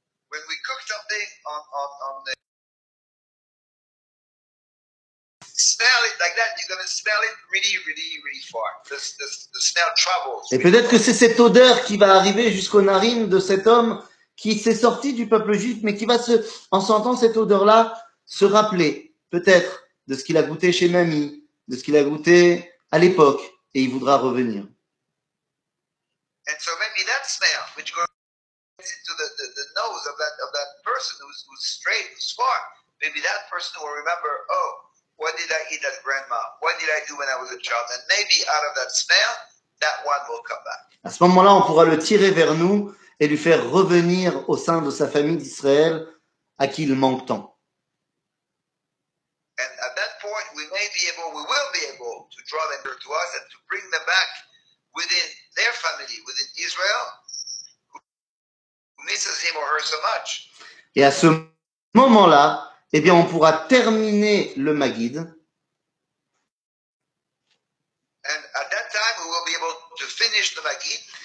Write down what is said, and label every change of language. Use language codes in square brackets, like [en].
[en] When we cook something on the smell it like that, you're gonna smell it really, really, really far. The smell travels. [fr] Et peut-être que c'est cette odeur qui va arriver jusqu'aux narines de cet homme qui s'est sorti du peuple juif, mais qui va se, en sentant cette odeur-là, se rappeler peut-être de ce qu'il a goûté chez mamie, de ce qu'il a goûté à l'époque, et il voudra revenir. [en] And so maybe that smell, which goes into the nose of that person who's straight, who's far, maybe that person will remember, oh, what did I eat at grandma? What did I do when I was a child? And maybe out of that smell, that one will come back. [fr] À ce moment-là, on pourra le tirer vers nous et lui faire revenir au sein de sa famille d'Israël à qui il manque tant. [en] And at that point, we may be able, we will be able to draw them to us and to bring them back within their family, within Israel, who misses him or her so much. [fr] Et à ce moment-là, eh bien, on pourra terminer le Maggid. [en] And at that time, we will be able to finish the Maggid.